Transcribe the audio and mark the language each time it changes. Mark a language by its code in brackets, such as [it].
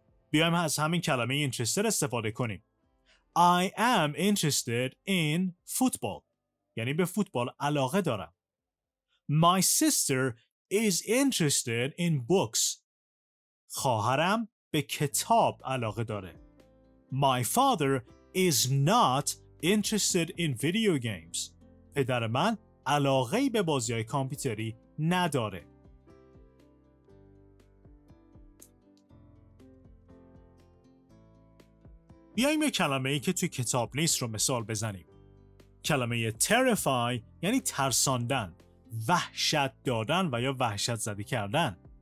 [fa] بیایم از همین کلمه interested استفاده کنیم. [en] I am interested in football. [fa] یعنی به فوتبال علاقه دارم. [en] My sister is interested in books. [fa] خواهرم به کتاب علاقه داره. [en] My father is not interested in video games. [fa] پدر من علاقه‌ای به بازی‌های کامپیوتری نداره. بیایم یه کلمه‌ای که توی کتاب نیست رو مثال بزنیم. کلمه terrify یعنی ترساندن، وحشت دادن و یا وحشت زده کردن.